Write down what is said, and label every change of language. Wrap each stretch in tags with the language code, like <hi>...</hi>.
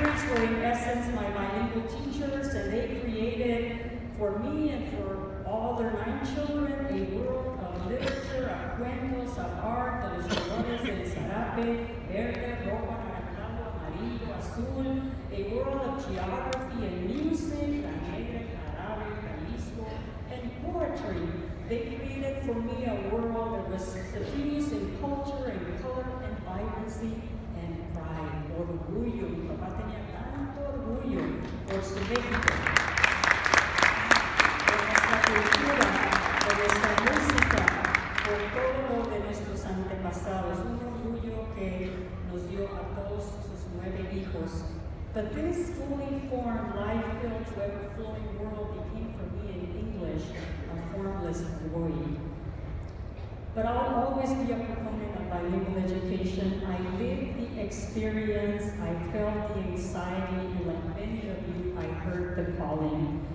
<en>were in essence my bilingual teachers, and they created for me and for all their 9 children a world of literature, of cuentos, of art, de los colores, el sarape, verde, rojo, naranjado, amarillo, azul, a world of geography and music, la negra, carabe, Jalisco, and poetry. They created for me a world that was diffused in culture and color and vibrancy and pride.</en> <es>Orgullo, mi papá tenía tanto orgullo por su México. Por esta música, por todo lo de nuestros antepasados, un orgullo que nos dio a todos sus 9 hijos.</es> <en>But this fully formed, life-filled, to ever-flowing world became for me in English a formless void. But I'll always be a proponent of bilingual education. I lived the experience, I felt the anxiety, and like many of you, I heard the calling.</en>